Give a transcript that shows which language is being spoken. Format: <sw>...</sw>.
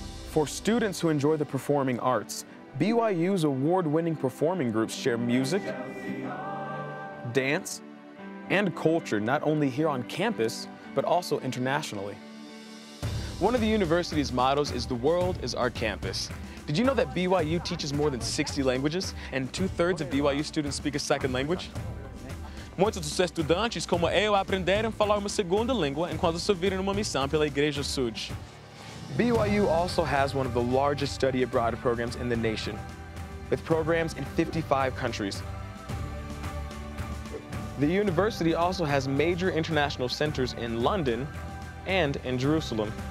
<en>For students who enjoy the performing arts, BYU's award-winning performing groups share music, dance, and culture not only here on campus, but also internationally. One of the university's mottos is "The world is our campus." Did you know that BYU teaches more than 60 languages and two-thirds of BYU students speak a second language?</en> <pt>Muitos dos estudantes, como eu, aprenderam a falar uma segunda língua enquanto serviram numa missão pela Igreja Sud.</pt> <en>BYU also has one of the largest study abroad programs in the nation, with programs in 55 countries. The university also has major international centers in London and in Jerusalem.</en>